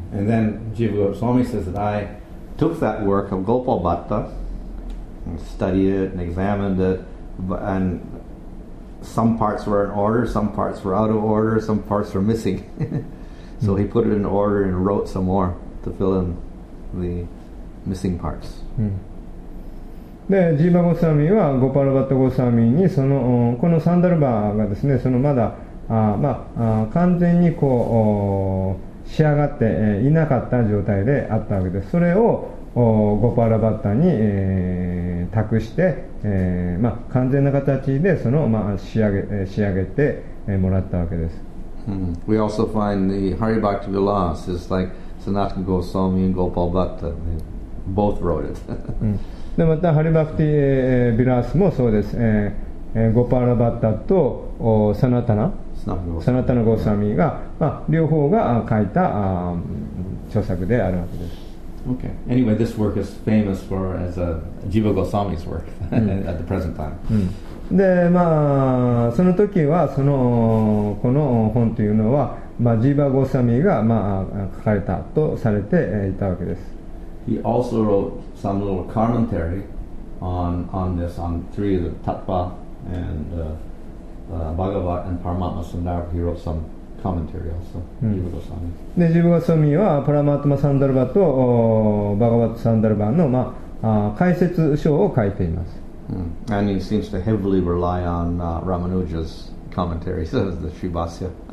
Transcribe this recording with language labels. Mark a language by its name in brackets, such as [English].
[English] And then Jiva Goswami says that I took that work of Gopal Bhatta and studied it and examined it andSome parts were in order, some parts were out of order, some parts were missing. So he put it in order and wrote some more to fill in the missing parts. [Japanese] で、ジーバゴスワミはゴパルバットゴスワミにそのこのサンダルバがですね、そのまだまあ完全にこう仕上がっていなかった状態であったわけです。それをゴパラバッタに、託して、まあ、完全な形でその、まあ、仕上げて、もらったわけです。 Hmm. [English] We also find the Hari Bhakti Vilas is like Sanatana Goswami and Gopal Bhatta. They both wrote it. [Japanese] でまたハリバクティ・ビラスもそうです。ゴパラバッタとサナタナ。サナタナゴスワミが、まあ、両方が書いた著作であるわけです。 [English] Okay. Anyway, this work is famous for as a Jiva Goswami's work at the present time. [Japanese] で、まあ、その時はそのこの本というのは、まあ、ジーバ・ゴサミが、まあ、書かれたとされていたわけです。 [English] He also wrote some little commentary on this, on three of the Tattva and Bhagavat and Paramatma Sundarbha. He wrote some commentary also, Jiva Goswami. [Japanese] で、ジーバ・ゴサミはパラマートマ・サンダルバとバガバット・サンダルバの、まあ、解説書を書いています。 [English] And he seems to heavily rely on Ramanuja's commentary, so the Sribhasya.